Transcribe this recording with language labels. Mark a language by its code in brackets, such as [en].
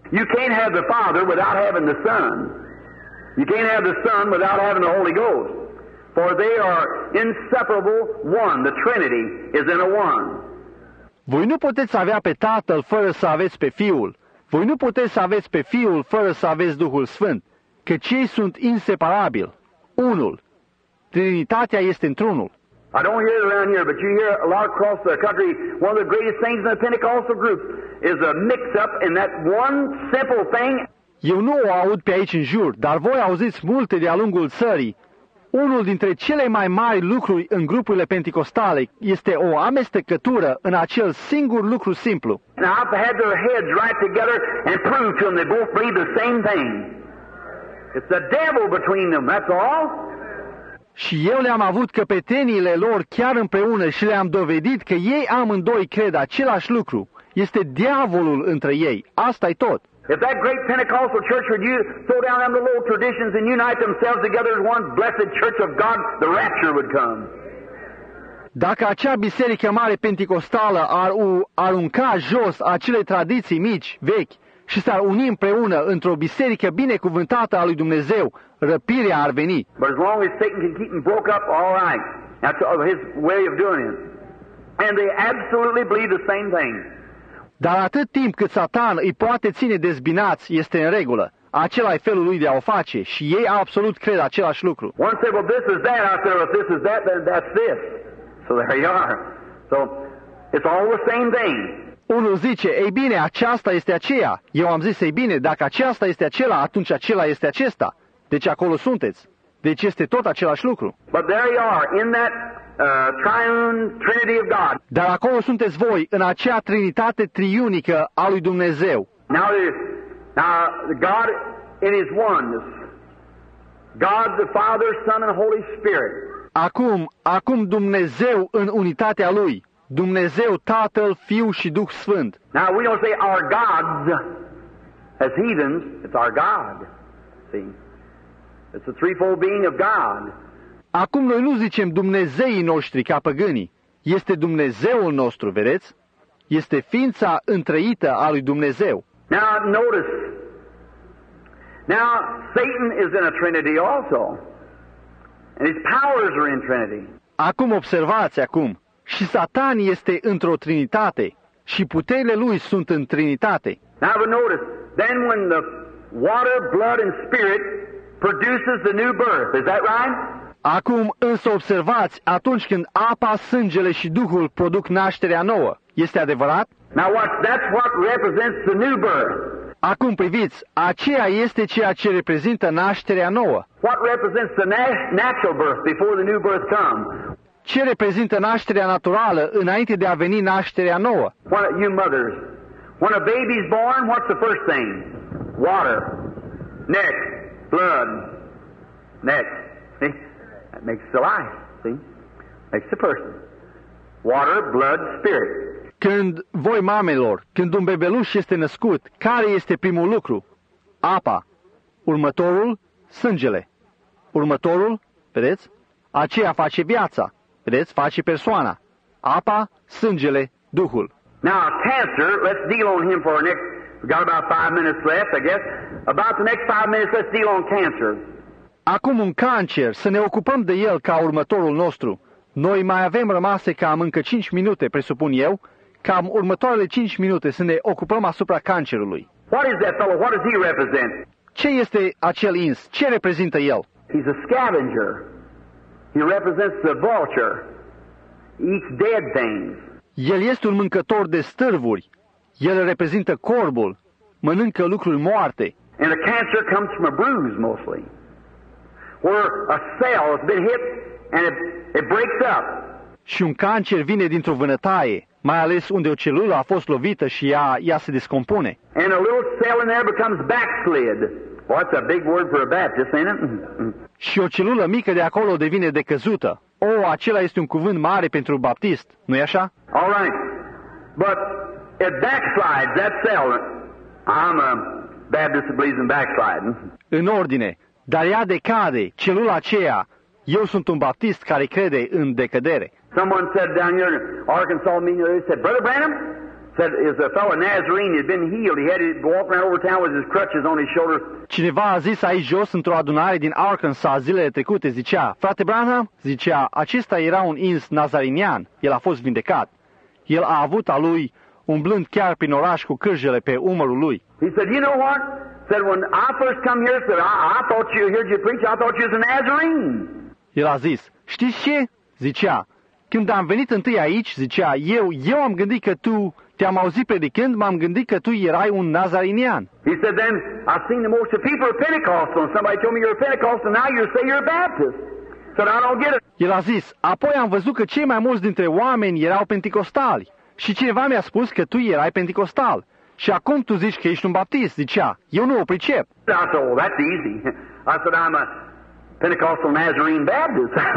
[en] You can't have the Father without having the Son. You can't have the Son without having the Holy Ghost, for they are inseparable one. The Trinity is in a one. [ro] Voi nu puteți avea pe Tatăl fără să aveți pe Fiul. Voi nu puteți aveți pe Fiul fără să aveți Duhul Sfânt, căci ei sunt inseparabili. Unul. Trinitatea este într-unul. [en] I don't hear it around here, but you hear a lot across the country. One of the greatest things in the Pentecostal group is a mix-up in that one simple thing. [ro] Eu nu o aud pe aici în jur, dar voi auziți multe de-a lungul țării. Unul dintre cele mai mari lucruri în grupurile penticostale este o amestecătură în acel singur lucru simplu. [en] Now I've had their heads right together and proved to them they both believe the same thing. It's the devil between them, that's all. [ro] Și eu le-am avut căpeteniile lor chiar împreună și le-am dovedit că ei amândoi cred același lucru. Este diavolul între ei, asta e tot. [en] If that great Pentecostal church would you throw down them the little traditions and unite themselves together as one blessed church of God, the rapture would come. [ro] Dacă acea biserică mare penticostală ar arunca jos acele tradiții mici, vechi, și s-ar uni împreună într-o biserică binecuvântată a lui Dumnezeu, răpirea ar veni. [en] But as long as Satan can keep them broke up, all right. That's his way of doing it. And they absolutely believe the same thing. [ro] Dar atât timp cât Satan îi poate ține dezbinați, este în regulă. Acela e felul lui de a o face și ei absolut cred același lucru. [en] One said, well, this is that. I said, well, if this is that, then that's this. So there you are. So it's all the same thing. [ro] Unul zice, ei bine, aceasta este aceea. Eu am zis, ei bine, dacă aceasta este acela, atunci acela este acesta. Deci acolo sunteți. Deci este tot același lucru. [en] But there you are, in that triune Trinity of God. [ro] Dar acolo sunteți voi, în acea trinitate triunică a lui Dumnezeu. [en] Now, God in His oneness. God the Father, Son and Holy Spirit. [ro] Acum Dumnezeu în unitatea Lui. Dumnezeu, Tatăl, Fiul și Duh Sfânt. [en] Now, we don't say our gods as heathens. It's our God. See? It's the threefold being of God. [ro] Acum noi nu zicem Dumnezeii noștri ca păgânii. Este Dumnezeul nostru, vedeți? Este ființa întreită a lui Dumnezeu. [en] Now notice. Now Satan is in a trinity also. And his powers are in trinity. [ro] Acum observați acum. Și Satan este într-o trinitate și puterile lui sunt în trinitate. [en] Now notice. Then when the water, blood and spirit produces the new birth. Is that right? [ro] Acum însă observați, atunci când apa, sângele și Duhul produc nașterea nouă, este adevărat? [en] Now watch, that's what represents the new birth. [ro] Acum priviți, aceea este ceea ce reprezintă nașterea nouă. [en] What represents the natural birth before the new birth comes? [ro] Ce reprezintă nașterea naturală înainte de a veni nașterea nouă? [en] What you mothers, when a baby is born, what's the first thing? Water, next, blood, next. That makes the life, see? Makes the person. Water, blood, spirit. [ro] Când voi mamelor, când un bebeluș este născut, care este primul lucru? Apa. Următorul, sângele. Următorul, vedeți? Aceea face viața. Vedeți? Face persoana. Apa, sângele, Duhul. [en] Now, cancer, let's deal on him for the next... We've got about 5 minutes left, I guess. About the next 5 minutes, let's deal on cancer. [ro] Acum un cancer, să ne ocupăm de el ca următorul nostru. Noi mai avem rămase cam încă 5 minute, presupun eu, cam următoarele 5 minute să ne ocupăm asupra cancerului. [en] What is that fellow? What does he represent? [ro] Ce este acel ins? Ce reprezintă el? [en] He's a scavenger. He represents the vulture. Eats dead things. [ro] El este un mâncător de stârvuri. El reprezintă corbul. Mănâncă lucruri moarte. [en] And the cancer comes from a bruise mostly. Where a cell has been hit and it breaks up. [ro] Și un cancer vine dintr-o vânătaie, mai ales unde o celulă a fost lovită și ea se descompune. [en] And a little cell in there becomes backslid. Well, that's a big word for a Baptist, ain't it? [ro] Și o celulă mică de acolo devine decăzută. Oh, acela este un cuvânt mare pentru baptist, nu-i așa? [en] All right. But it backslides, that cell. I'm a Baptist who believes in backsliding. [ro] În ordine. Dar ea decade, celula aceea. Eu sunt un baptist care crede în decădere. [en] Someone said down here in Arkansas meeting, they said, Brother Branham, said, is a fellow Nazarene, he'd been healed, he had to walk around over town with his crutches on his shoulder. [ro] Cineva a zis aici jos, într-o adunare din Arkansas, zilele trecute, zicea, Frate Branham, zicea, acesta era un ins nazarinian, el a fost vindecat. El a avut a lui umblând chiar prin oraș cu cârjele pe umărul lui. [en] He said, you know what? Said when I first come here, said I thought you heard you preach. I thought you was a Nazarene. [ro] El a zis, știi ce? Zicea, când am venit întâi aici, zicea, eu am gândit că tu te-am auzit predicând, m-am gândit că tu erai un Nazarenian. [en] He said then I seen the most of people are Pentecostal. And somebody told me you're a Pentecostal, and now you say you're a Baptist. Said I don't get it. [ro] El a zis, apoi am văzut că cei mai mulți dintre oameni erau pentecostali și cineva mi-a spus că tu erai pentecostal. Și acum tu zici că ești un baptist, zicea, eu nu o pricep. [en] I said, well, that's easy. I said, I'm a Pentecostal Nazarene Baptist.